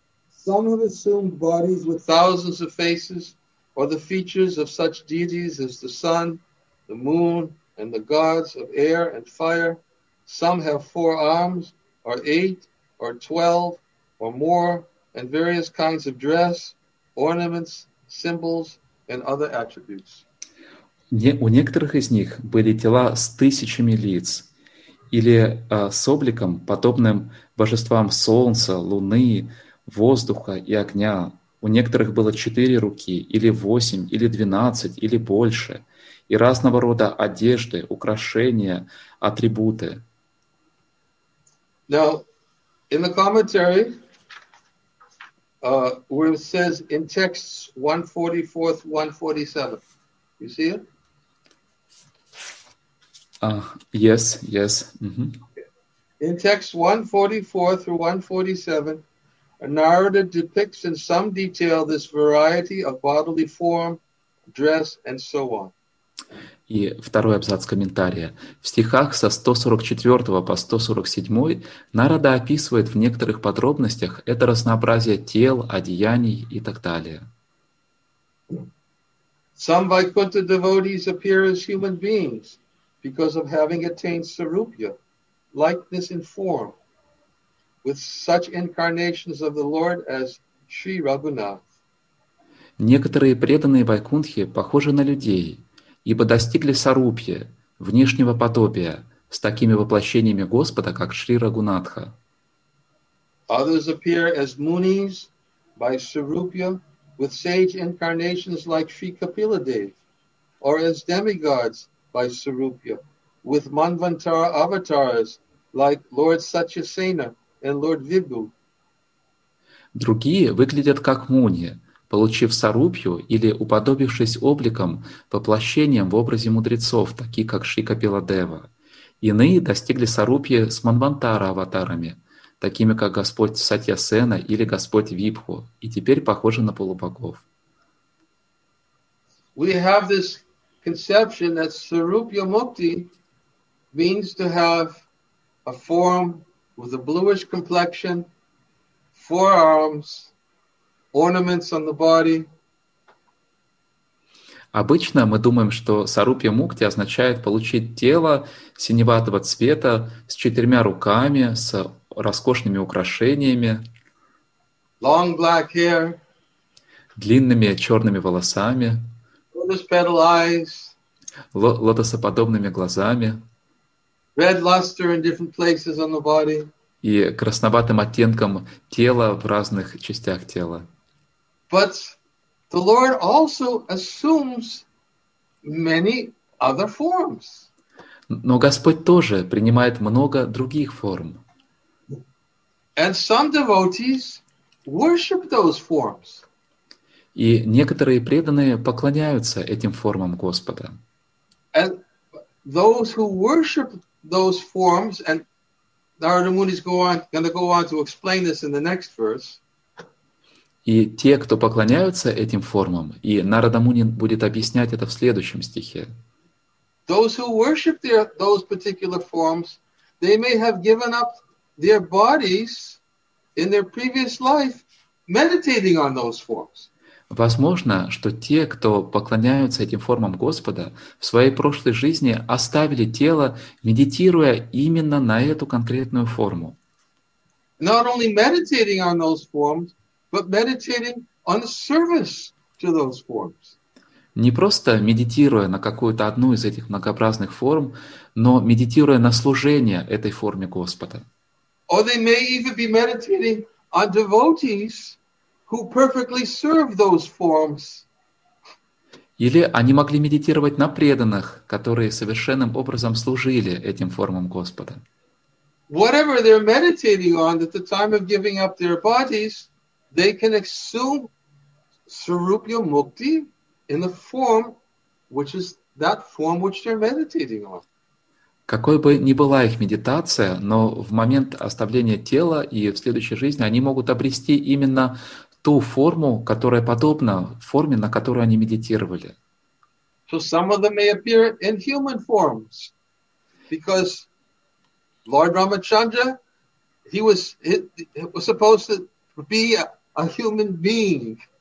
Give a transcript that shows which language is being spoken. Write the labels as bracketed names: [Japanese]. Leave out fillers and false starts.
[English] Some have assumed bodies with thousands of faces or the features of such deities as the sun, the moon, and the gods of air and fire. Some have four arms or eight or 12 or more and various kinds of dress, ornaments, symbols, and other attributes. [Russian] У некоторых из них были тела с тысячами лиц или с обликом, подобным божествам солнца, луны, воздуха и огня. У некоторых было четыре руки, или восемь, или 12, или больше. И разного рода одежды, украшения, атрибуты. [English] Now, in the commentary, where it says in texts 144-147, you see it? Yes, yes. Mm-hmm. In texts 144-147, Narada depicts in some detail this variety of bodily form, dress, and so on. [Russian] И второй абзац комментария. В стихах со 144 по 147 Нарада описывает в некоторых подробностях это разнообразие тел, одеяний и так далее. [English] Some Vaikuntha devotees appear as human beings because of having attained sarupya, likeness in form, with such incarnations of the Lord as Sri Raghunath. [Russian] Некоторые преданные Вайкунтхи похожи на людей, ибо достигли сарупья, внешнего подобия, с такими воплощениями Господа, как Шри Рагунатха. [English] Others appear as munis by sarupya, with sage incarnations like Sri Kapiladev, or as demigods by sarupya, with manvantara avatars like Lord Satyasena and Lord Vibhu. [Russian] Другие выглядят как муни, получив сарупью или уподобившись обликом, воплощением в образе мудрецов, такие как Шри Капиладева. Иные достигли сарупья с манвантара аватарами, такими как Господь Сатьясена или Господь Випху, и теперь похожи на полубогов. [English] We have this conception that sarupya mukti means to have a form with a bluish complexion, four arms, ornaments on the body. [Russian] Обычно мы думаем, что сарупья мукти означает получить тело синеватого цвета с четырьмя руками, с роскошными украшениями, [English] long black hair, [Russian] длинными черными волосами, [English] lotus petal eyes, [Russian] лотосоподобными глазами, [English] red luster in different places on the body, [Russian] и красноватым оттенком тела в разных частях тела. [English] But the Lord also assumes many other forms. [Russian] Но Господь тоже принимает много других форм. [English] And some devotees worship those forms. [Russian] И некоторые преданные поклоняются этим формам Господа. [English] And those who worship those forms, and Narada Muni is going to go on to explain this in the next verse. [Russian] И те, кто поклоняются этим формам, и Нарада Муни будет объяснять это в следующем стихе. [English] Those who worship those particular forms, they may have given up their bodies in their previous life, meditating on those forms. [Russian] Возможно, что те, кто поклоняются этим формам Господа, в своей прошлой жизни оставили тело, медитируя именно на эту конкретную форму. [English] Not only meditating on those forms, but meditating on service to those forms. [Russian] Не просто медитируя на какую-то одну из этих многообразных форм, но медитируя на служение этой форме Господа. [English] Or they may even be meditating on devotees who perfectly serve those forms. [Russian] Или они могли медитировать на преданных, которые совершенным образом служили этим формам Господа. [English] Whatever they're meditating on at the time of giving up their bodies, they can assume Sarupya Mukti in the form, which is that form which they're meditating on. [Russian] Какой бы ни была их медитация, но в момент оставления тела и в следующей жизни они могут обрести именно ту форму, которая подобна форме, на которую они медитировали. [English] So some of them may appear in human forms, because Lord Ramachandra, he was supposed to be a human being.